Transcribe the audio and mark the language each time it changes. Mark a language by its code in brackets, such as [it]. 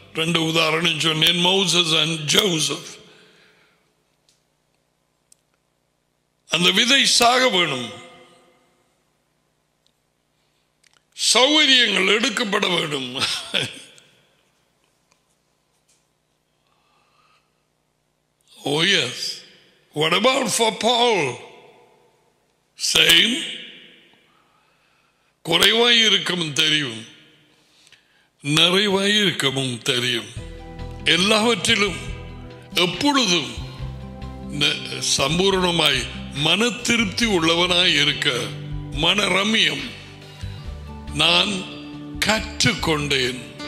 [ta] 2 உதாரணம் சொன்னேன், Moses and Joseph. அந்த விதை சாக வேணும், சௌகரியங்கள் எடுக்கப்பட வேண்டும். [en] Oh yes, what about for Paul? Same. [ta] குறைவாயிருக்கமும் தெரியும், நிறைவாயிருக்கமும் தெரியும். எல்லாவற்றிலும் எப்பொழுதும் சம்பூர்ணமாய் மன திருப்தி உள்ளவனாயிருக்க மன ரம்யம் நான் கற்றுக்கொண்டேன்.